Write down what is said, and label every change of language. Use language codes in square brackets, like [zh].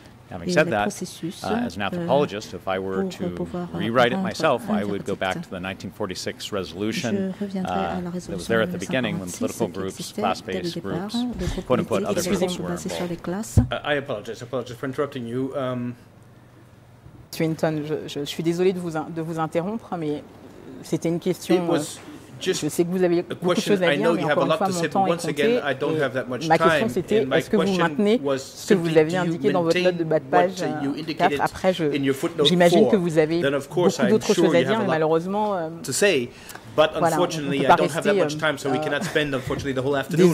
[en] Having said that, as an anthropologist, if I were to rewrite it myself, I would go back to the 1946 resolution that was there at the beginning when political groups, class-based groups, quote-unquote, other groups were involved. I apologize. I apologize for interrupting you. [fr] Swinton, je suis désolé de vous interrompre, mais c'était une question... Je sais que vous avez beaucoup de choses à dire, mais encore une fois, mon temps est compté. Ma question, c'était, est-ce que vous maintenez ce que vous avez indiqué dans votre note de bas de page 4? Après, j'imagine que vous avez beaucoup d'autres choses à dire, mais malheureusement... [en] But unfortunately, voilà, I don't have that much time, so we cannot spend, unfortunately, the whole afternoon